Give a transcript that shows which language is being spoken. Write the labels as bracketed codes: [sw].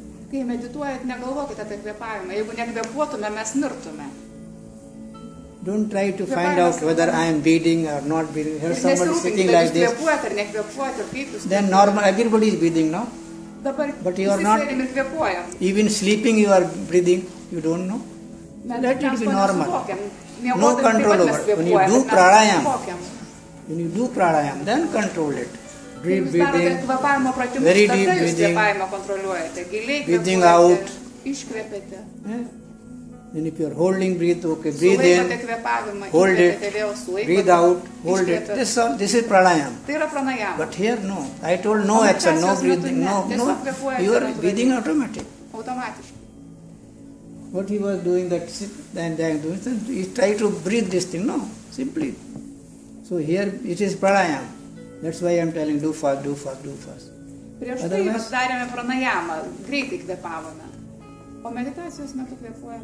[lt] kai medituojat, negalvokite apie kvėpavimą. Jeigu nekvėpuotume, mes mirtume. [en] Don't try to find out whether I am breathing or not breathing. Here somebody sitting like this. Then normal, everybody is breathing, no? But you are not. Even sleeping you are breathing, you don't know. Let it be normal. No control over. When you do pranayama, then control it. Deep breathing, very deep breathing, breathing out. And if you are holding breath, okay, breathe in, hold it, breathe out, hold it. This is pranayama. But here, no. I told no action, no breathing, no. You are breathing automatic. What he was doing, he tried to breathe this thing, no, simply. So here, it is pranayama. That's why I'm telling do fast. [lt] Prieš tai mes darėme pranajamą, greitai kvėpavome. O meditacijos metu kvėpuojame.